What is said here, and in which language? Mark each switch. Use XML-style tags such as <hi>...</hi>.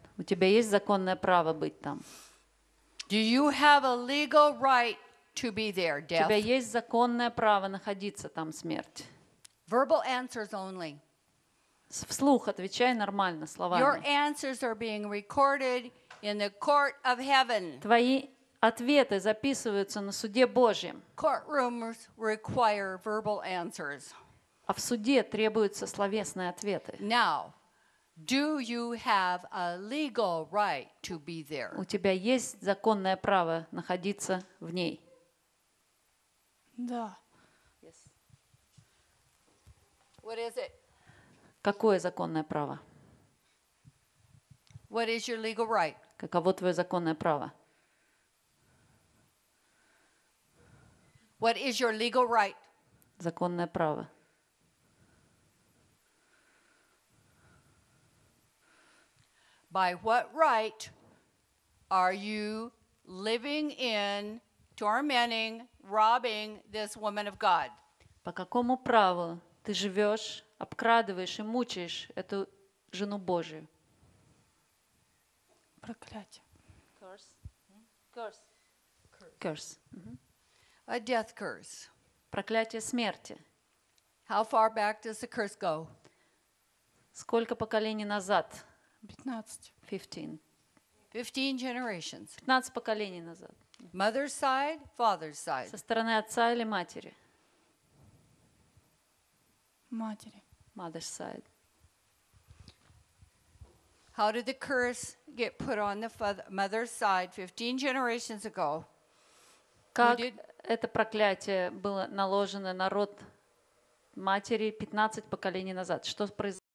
<ru>У тебя есть законное право быть там?</ru> <en>Do you have a legal right to be there, death?</en> <ru>У тебя есть законное право находиться там, смерть?</ru> <en>Verbal answers only.</en> <ru>Вслух отвечай нормально словами.</ru> <en>Your answers are being recorded in the court of heaven.</en> <ru>Твои ответы записываются на суде Божьем.</ru> <en>Courtrooms require verbal answers.</en> <ru>А в суде требуются словесные ответы.</ru> <en>Now, do you have a legal right to be there?</en> <ru>У тебя есть законное право находиться в ней? Да.</ru> <en>Yes. What is it?</en> <ru>Какое законное право?</ru> <en>What is your legal right?</en> <ru>Каково твое законное право?</ru> <en>What is your legal right?</en> <ru>Законное право.</ru> <en>By what right are you living in, tormenting, robbing this woman of God?</en> <ru>По какому праву ты живешь? Обкрадываешь и мучаешь эту жену Божию. Проклятие.</ru> <en>Curse. Curse. A death curse.</en> <ru>Проклятие смерти.</ru> <en>How far back does the curse go?</en> <ru>Сколько поколений назад? 15.</ru> <en>15 generations.</en> <ru>15 поколений назад.</ru> <en>Mother's side, father's side.</en> <ru>Со стороны отца или матери? Матери.</ru> <en>Mother's side. How did the curse get put on the mother's side 15 generations ago?</en> <ru>Как это проклятие было наложено на род матери 15 поколений назад? Что произошло?</ru>